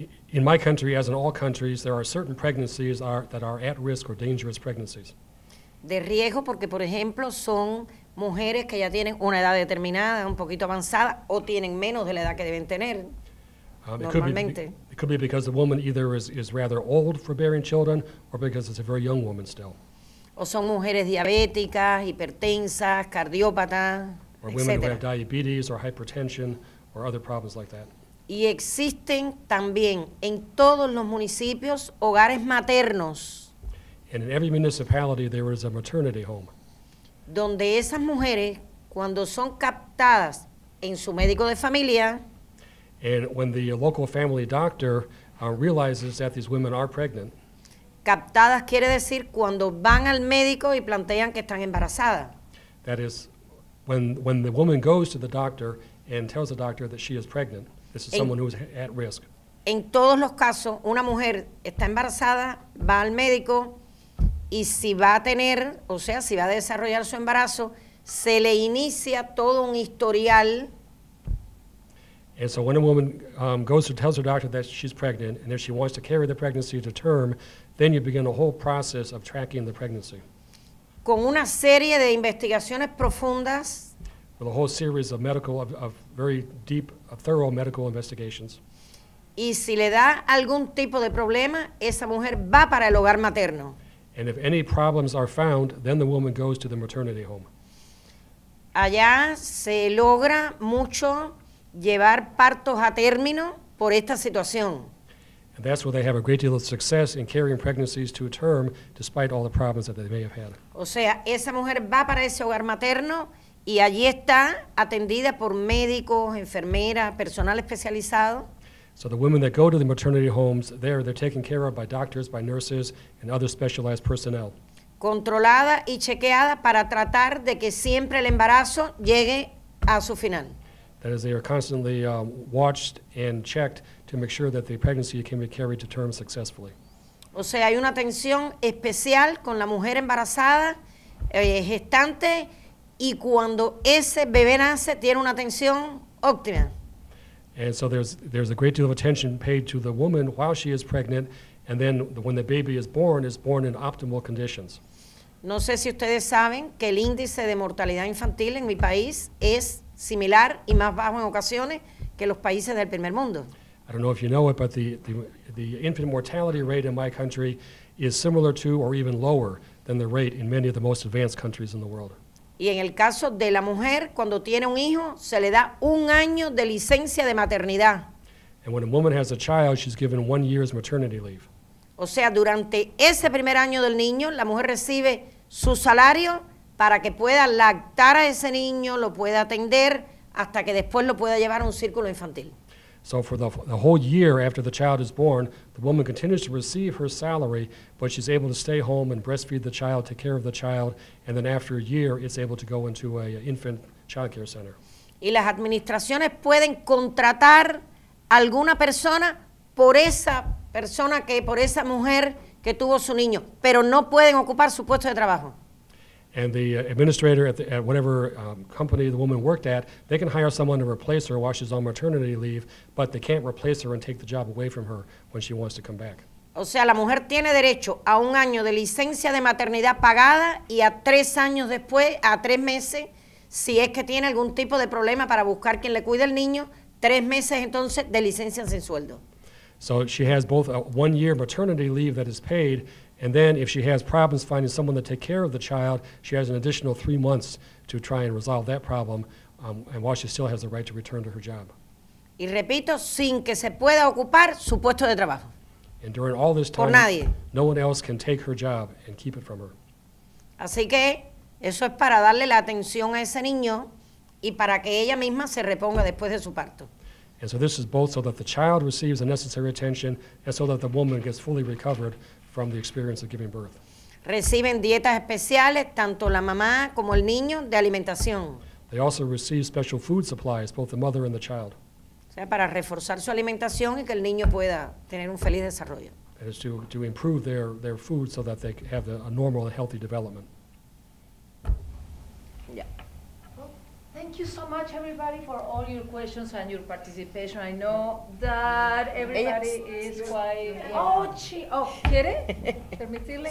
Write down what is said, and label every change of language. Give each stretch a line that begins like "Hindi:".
English: In my country, as in all countries, there are certain pregnancies that are at risk or dangerous pregnancies.
Spanish: De riesgo porque, por ejemplo, son mujeres que ya tienen una edad determinada, un poquito avanzada, o tienen menos de la edad que deben tener normalmente.
English: It could be because the woman either is rather old for bearing children or because it's a very young woman still.
Spanish: O son mujeres diabéticas, hipertensas, cardiópatas, etc.
English: Or women who have diabetes or hypertension or other problems like that.
Spanish: Y existen también en todos los municipios hogares maternos.
English: And in every municipality there is a maternity home.
Spanish: Donde esas mujeres, cuando son captadas en su médico de familia,
English: and when the local family doctor realizes that these women are pregnant,
Spanish: captadas quiere decir cuando van al médico y plantean que están embarazadas.
English: That is, when the woman goes to the doctor and tells the doctor that she is pregnant, this is someone who is at risk.
Spanish: En todos los casos, una mujer está embarazada, va al médico, y si va a tener, o sea, si va a desarrollar su embarazo, se le inicia todo un historial.
English: And so when a woman goes to tell her doctor that she's pregnant, and if she wants to carry the pregnancy to term, then you begin a whole process of tracking the pregnancy.
Spanish: Con una serie de investigaciones profundas.
English: With a whole series of medical, of very deep, thorough medical investigations.
Spanish: Y si le da algún tipo de problema, esa mujer va para el hogar materno.
English: And if any problems are found, then the woman goes to the maternity home.
Spanish: Allá se logra mucho llevar partos a término por esta situación.
English: And that's where they have a great deal of success in carrying pregnancies to a term, despite all the problems that they may have had.
Spanish: O sea, esa mujer va para ese hogar materno y allí está atendida por médicos, enfermeras, personal especializado.
English: So the women that go to the maternity homes, there they're taken care of by doctors, by nurses, and other specialized personnel.
Spanish: Controlada y chequeada para tratar de que siempre el embarazo llegue a su final.
English: That is, they are constantly watched and checked to make sure that the pregnancy can be carried to term successfully.
Spanish: O sea, hay una atención especial con la mujer embarazada, gestante, y cuando ese bebé nace, tiene una atención óptima.
English: And so there's a great deal of attention paid to the woman while she is pregnant, and then when the baby is born in optimal conditions.
Spanish: No sé si ustedes saben que el índice de mortalidad infantil en mi país es similar y más bajo en ocasiones que los países del primer mundo.
English: I don't know if you know it, but the infant mortality rate in my country is similar to or even lower than the rate in many of the most advanced countries in the world.
Spanish: Y en el caso de la mujer, cuando tiene un hijo, se le da un año de licencia de maternidad.
English: And when a woman has a child, she's given 1 year's maternity leave.
Spanish: O sea, durante ese primer año del niño, la mujer recibe su salario para que pueda lactar a ese niño, lo pueda atender, hasta que después lo pueda llevar a un círculo infantil.
English: So for the whole year after the child is born, the woman continues to receive her salary, but she's able to stay home and breastfeed the child, take care of the child, and then after a year, it's able to go into an infant child care center.
Spanish: Y las administraciones pueden contratar alguna persona por esa persona, que por esa mujer que tuvo su niño, pero no pueden ocupar su puesto de trabajo.
English: And the administrator at whatever company the woman worked at, they can hire someone to replace her while she's on maternity leave, but they can't replace her and take the job away from her when she wants to come back.
Spanish: O sea, la mujer tiene derecho a un año de licencia de maternidad pagada y a tres meses si es que tiene algún tipo de problema para buscar quien le cuide el niño, 3 meses entonces de licencia sin sueldo.
English: So she has both a 1 year maternity leave that is paid, and then if she has problems finding someone to take care of the child, she has an additional 3 months to try and resolve that problem, and while she still has the right to return to her job.
Spanish: Y repito, sin que se pueda ocupar su puesto de trabajo.
English: And during all this time, no one else can take her job and keep it from her.
Spanish: Así que eso es para darle la atención a ese niño y para que ella misma se reponga después de su parto.
English: And so this is both so that the child receives the necessary attention and so that the woman gets fully recovered from the experience of giving birth.
Spanish: Reciben dietas especiales, tanto la mamá como el niño, de alimentación.
English: They also receive special food supplies, both the mother and the child.
Spanish: O sea, para reforzar su alimentación y que el niño pueda tener un feliz desarrollo.
English: It is to improve their food so that they have a normal and healthy development. Yeah. Thank you so much, everybody, for all your questions and your participation. I know that everybody is quite...
Spanish: ¿quiere? Permitirle?